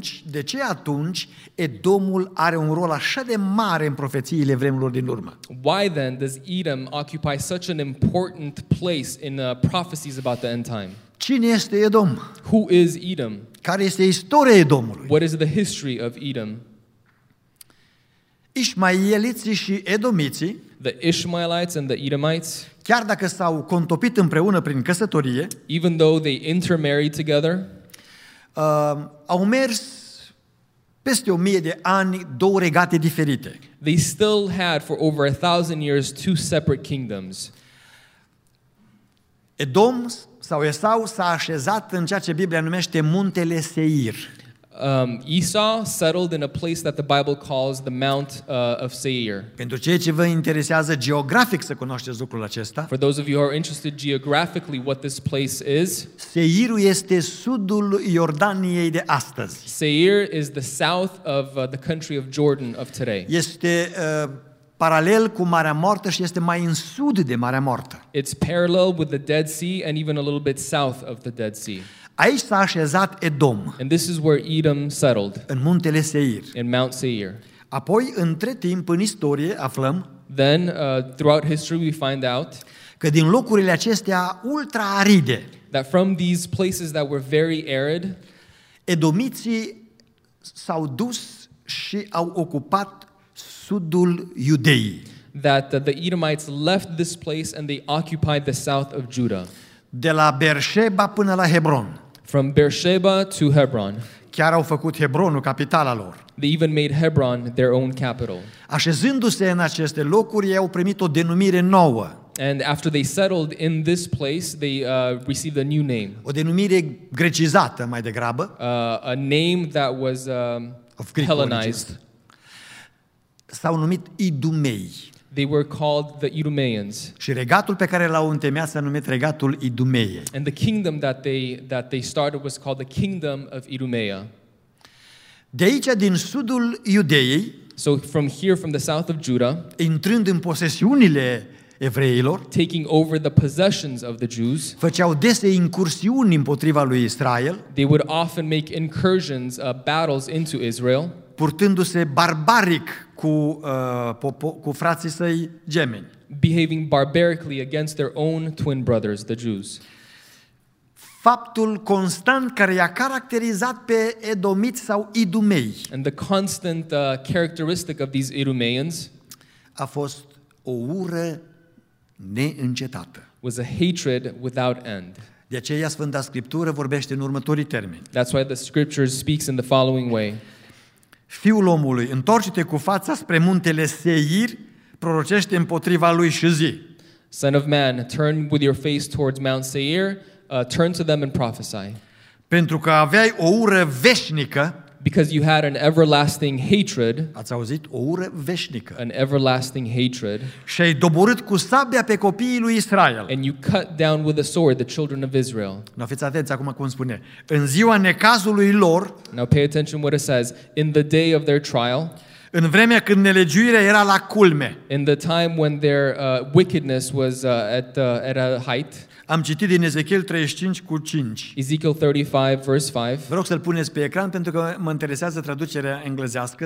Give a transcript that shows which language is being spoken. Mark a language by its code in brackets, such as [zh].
[ro] De ce atunci Edomul are un rol așa de mare în profețiile vremurilor din urmă? [en] Why then does Edom occupy such an important place in the prophecies about the end time? [ro] Cine este Edom? [en] Who is Edom? [ro] Care este istoria Edomului? [en] What is the history of Edom? [ro] Ishmaeliții și Edomiții, [en] the Ishmaelites and the Edomites, [ro] chiar dacă s-au contopit împreună prin căsătorie, [en] even though they intermarried together, [ro] au mers peste 1,000 de ani două regate diferite. [en] They still had for over 1,000 years two separate kingdoms. [ro] Edom sau Esau s-a așezat în ceea ce Biblia numește Muntele Seir. [en] Esau settled in a place that the Bible calls the Mount of Seir. [ro] Pentru cei ce vă interesează geografic să cunoașteți lucrul acesta. [en] For those of you who are interested geographically what this place is. [ro] Seirul este sudul Iordaniei de astăzi. [en] Seir is the south of the country of Jordan of today. [ro] Este paralel cu Marea Moartă și este mai în sud de Marea Moartă. [en] It's parallel with the Dead Sea and even a little bit south of the Dead Sea. [ro] Aici s-a așezat Edom. [en] And this is where Edom settled. [ro] În Muntele Seir. [en] In Mount Seir. [ro] Apoi, între timp, în istorie, aflăm. [en] Then, throughout history, we find out [ro] că din locurile acestea ultra aride, [en] that from these places that were very arid, [ro] edomiții s-au dus și au ocupat sudul Iudeii. [en] That the Edomites left this place and they occupied the south of Judah. [ro] De la Beersheba până la Hebron. [en] From Beersheba to Hebron. [ro] Chiar au făcut Hebronul capitala lor. [en] They even made Hebron their own capital. [ro] Așezându-se în aceste locuri, ei au primit o denumire nouă. [en] And after they settled in this place, they received a new name. [ro] O denumire grecizată mai degrabă. [en] A name that was Hellenized. [ro] S-au numit Idumei. [en] They were called the Idumeans. [ro] Și regatul pe care l-au întemeiat s-a numit regatul Idumeie. [en] And the kingdom that they started was called the kingdom of Idumea. [ro] De aici din sudul Iudeei, [en] so from here from the south of Judah, [ro] intrând în posesiunile evreilor, [en] taking over the possessions of the Jews, [ro] făceau dese incursiuni împotriva lui Israel, [en] they would often make incursions, battles into Israel, [ro] purtându-se barbaric cu, cu frații săi gemeni, [en] behaving barbarically against their own twin brothers, the Jews. [ro] Faptul constant care i-a caracterizat pe edomiți sau idumei. [en] And the constant characteristic of these Idumeans [ro] a fost o ură neîncetată. [en] Was a hatred without end. [ro] De aceea Sfânta Scriptură vorbește în următorii termeni. [en] That's why the scripture speaks in the following way. [ro] Fiul omului, întoarce-te cu fața spre muntele Seir, prorocește împotriva lui și zi. [en] Son of man, turn with your face towards Mount Seir. Turn to them and prophesy. [ro] Pentru că aveai o ură veșnică, [en] because you had an everlasting hatred. [ro] Ați auzit? O ură veșnică. [en] An everlasting hatred. [ro] Și ai doborât cu sabia pe copiii lui Israel. [en] And you cut down with a sword the children of Israel. [ro] Nu fiți atenți acum cum spune. În ziua necazului lor. [en] Now pay attention what it says. In the day of their trial. [ro] În vremea când nelegiuirea era la culme. [en] In the time when their wickedness was at a height. [ro] Am citit din Ezechiel 35:5. [en] Ezekiel 35, verse 5. [ro] Vă rog să-l puneți pe ecran pentru că mă interesează traducerea englezească.